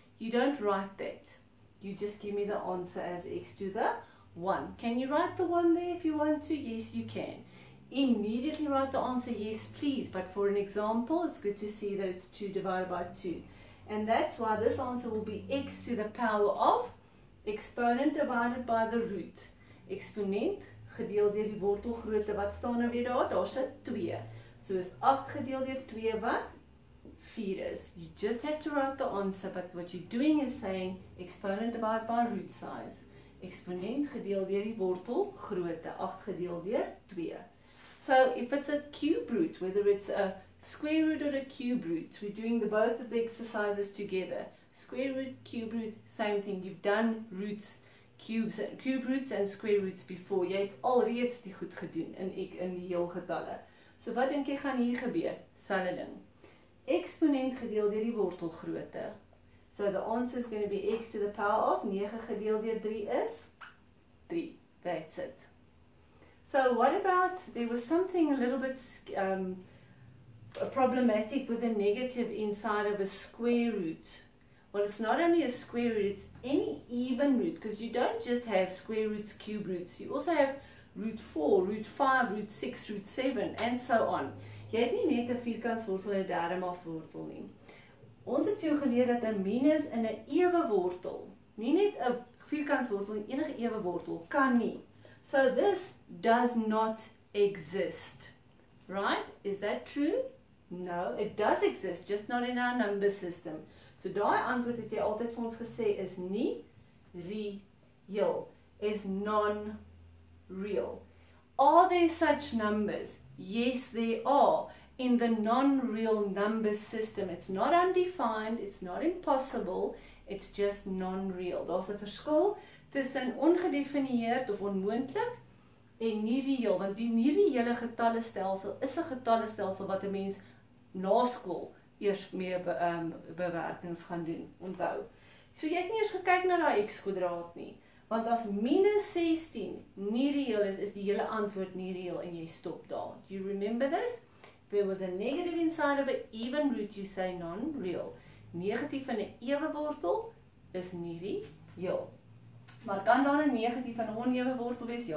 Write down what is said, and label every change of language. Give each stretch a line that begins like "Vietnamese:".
English: You don't write that. You just give me the answer as x to the 1. Can you write the 1 there if you want to? Yes, you can. Immediately write the answer, yes, please. But for an example, it's good to see that it's 2 divided by 2. And that's why this answer will be x to the power of exponent divided by the root.
Afrikaans: Exponent gedeel deur die wortelgrootte. Wat staan nou weer daar? Daar staan 2. So is 8 gedeel deur 2 wat 4 is.
English: You just have to write the answer, but what you're doing is saying exponent divided by root size.
Afrikaans: Exponent gedeel deur die wortelgrootte. 8 gedeel deur 2.
English: So if it's a cube root, whether it's a square root or a cube root, we're doing the both of the exercises together. Square root, cube root, same thing. You've done roots, cubes, cube roots and square roots before.
Afrikaans: Jy het alreeds die goed gedoen in die heel getalle. So wat dink jy gaan hier gebeur? Selfe ding. Exponent gedeel deur die wortelgrootte.
English: So the answer is going to be x to the power of 9
Afrikaans: gedeel deur 3 is 3.
English: That's it. So what about, there was something a little bit problematic with a negative inside of a square root. Well, it's not only a square root, it's any even root. Because you don't just have square roots, cube roots. You also have root 4, root 5, root 6, root 7, and so on.
Afrikaans: Jy het nie net 'n vierkantswortel en 'n derdemaswortel nie. Ons het vir jou geleer dat 'n minus in 'n ewe wortel, nie net 'n vierkantswortel en enige ewe wortel, kan nie.
English: So this does not exist, right? Is that true? No, it does exist, just not in our number system.
Afrikaans: So daai antwoord het jy altyd vir ons gesê is nie reëel,
English: is non-real. Are there such numbers? Yes, there are. In the non-real number system, it's not undefined, it's not impossible, it's just non-real.
Afrikaans: Daar's 'n verskil tussen ongedefinieerd of onmoontlik en nie reëel, want die nie reële getallestelsel is 'n getallestelsel wat 'n mens na skool eers mee bewerkings gaan doen, onthou. So jy het nie eers gekyk na daai x kwadraat nie, want as minus 16 nie reëel is, is die hele antwoord nie reëel en jy stop daar.
English: Do you remember this? If there was a negative inside of an even root, you say non-real.
Afrikaans: Negatief in 'n ewe wortel is nie reëel. Maar kan daar 'n negatief in 'n onewe wortel wees?